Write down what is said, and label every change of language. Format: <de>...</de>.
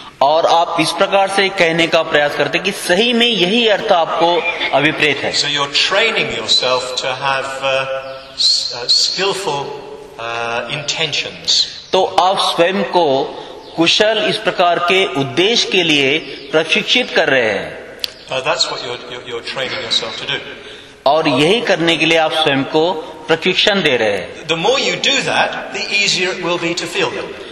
<hi>और आप इस प्रकार से कहने का प्रयास करते हैं कि सही में यही अर्थ आपको अभिप्रेत है।</hi> <en>So you are training yourself to have skilful intentions.</en> <hi>तो आप स्वयं को कुशल इस प्रकार के उद्देश्य के लिए प्रशिक्षित कर रहे हैं।</hi> <en>That's what you're training yourself to do.</en> <hi>और यही करने के लिए आप स्वयं को प्रशिक्षण दे रहे हैं।</hi> <en>The more you do that, the easier it will be to feel them.</en>